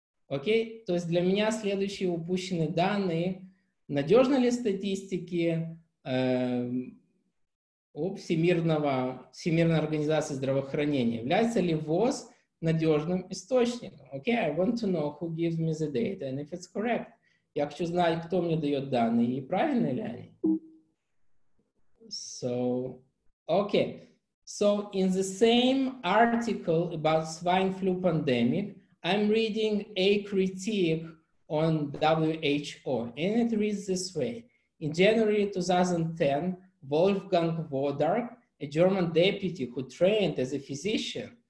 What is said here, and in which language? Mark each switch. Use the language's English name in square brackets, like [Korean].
[Russian] Okay, то есть для меня следующие упущенные данные. Надежны ли статистики Всемирной организации здравоохранения? Является ли ВОЗ надежным источником? [English] Okay, I want to know who gives me the data and if it's correct. [Russian] Я хочу знать, кто мне дает данные и правильные ли они. [English] So, okay. So, in the same article about swine flu pandemic, I'm reading a critique on WHO. And it reads this way. In January 2010, Wolfgang Wodarg, a German deputy who trained as a physician.